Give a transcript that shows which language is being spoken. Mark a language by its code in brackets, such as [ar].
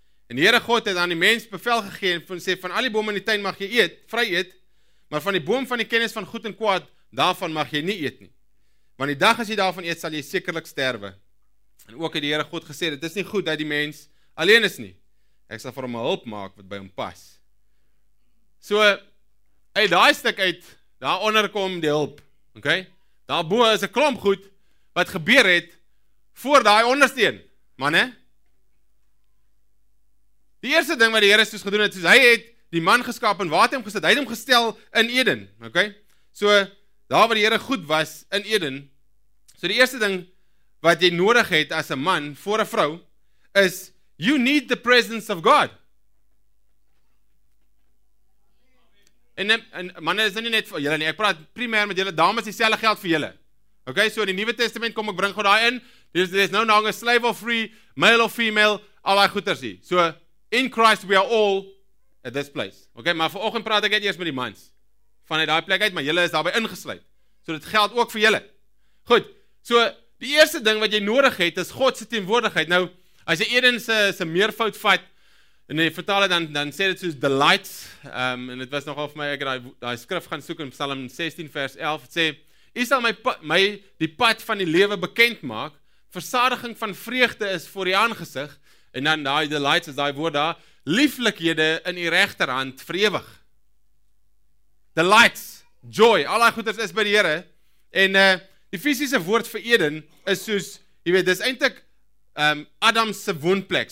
[af] En die Here God het aan die mens bevel gegee en sê van al die bome in die tuin mag jy eet, vry eet, maar van die boom van die kennis van goed en kwaad daarvan mag jy nie eet nie. Want die dag as jy daarvan eet, sal jy sekerlik sterwe. En ook het die Here God gesê, dit is nie goed dat die mens alleen is nie. Ek sal vir hom 'n hulp maak wat by hom pas. So, uit daai stuk uit, daaronder kom die hulp. Okay? Daarbo is 'n klomp goed wat gebeur het voor daai ondersteun, manne. Die eerste ding wat die Here soos gedoen het, soos hy het die man geskaap en waar het hom gesit? Hy het hom gestel in Eden, okay? So daar waar die Here goed was in Eden. So die eerste ding wat jy nodig het as 'n man voor 'n vrou is [en] you need the presence of God. [af] En manne is nie net vir julle nie. Ek praat primêr met julle dames, dieselfde geld vir julle. Okay, so in die Nuwe Testament kom ek bring gou daai in. [en] There's no longer slave or free, male or female, [af] al daai goeters hier. [en] So in Christ we are all at this place. [af] Okay, maar vanoggend praat ek net eers met die mans. Vanuit daai plek uit, maar julle is daarbey ingesluit. So dit geld ook vir julle. Goed. So die eerste ding wat jy nodig het is God se teenwoordigheid. Nou, as jy Eden se meervoud vat en jy vertaal dit dan sê dit soos delights. En dit was nogal vir my ek het daai skrif gaan soek in Psalm 16 vers 11 het sê: "U sal my die pad van die lewe bekend maak. Versadiging van vreugde is voor u aangesig." En dan daai delights is daai woord daar, lieflikhede in u regterhand vir ewig. Delights, joy, al daai goeders is by die Here. En die fisiese woord vir Eden is soos, jy weet, dis eintlik Adam se woonplek.